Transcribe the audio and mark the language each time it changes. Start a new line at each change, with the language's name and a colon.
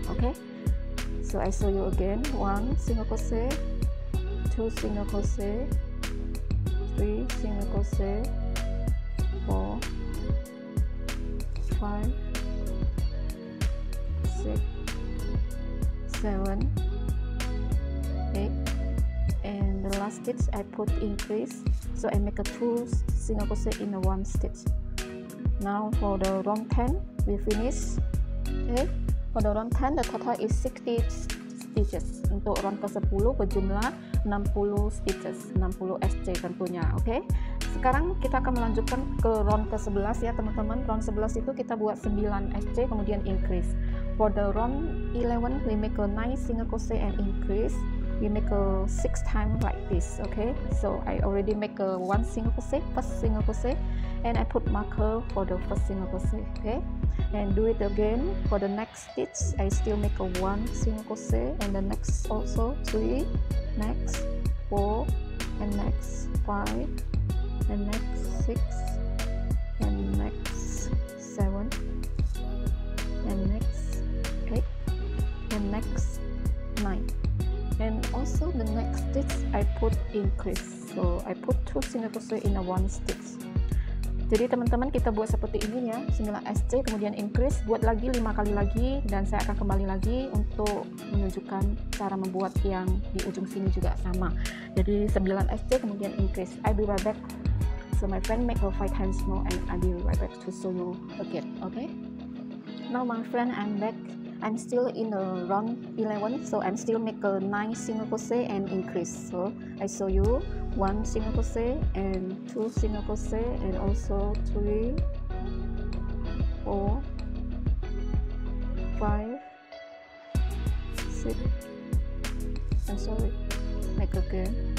English: Okay, so I show you again. 1 single crochet, 2 single crochet, 3 single crochet, 4, 5, 6, 7, 8, and the last stitch I put increase. So I make a 2 single crochet in a 1 stitch. Now for the round 10, we finish. Okay, for the round 10, the total is 60 stitches.
Indonesian: Untuk round ke 10 berjumlah 60 stitches, 60 SC tentunya. Okay, sekarang kita akan melanjutkan ke round ke 11 ya teman-teman. Round 11 itu kita buat 9 SC kemudian increase.
English: For the round 11, we make a 9 single crochet and increase. you make a 6 times like this, okay? So I already make a 1 single crochet, first single crochet, and I put marker for the first single crochet, okay? And do it again for the next stitch. I still make a 1 single crochet, and the next also 3, next 4, and next 5, and next 6, and next 7, and next 8, and next 9. And also the next stitch I put increase, so I put 2 single crochet in a 1 stitch.
Indonesian: Jadi teman-teman kita buat seperti ini ya, 9 SC kemudian increase, buat lagi 5 kali lagi, dan saya akan kembali lagi untuk menunjukkan cara membuat yang di ujung sini juga sama. Jadi 9 SC kemudian increase,
English: I'll be right back. So my friend make her 5 times more and I'll be right back to show you again, okay? Now my friend, I'm back. I'm still in the round 11, so I'm still make a 9 single crochet and increase. So I show you 1 single crochet and 2 single crochet and also 3, 4, 5, 6, I'm sorry, make again.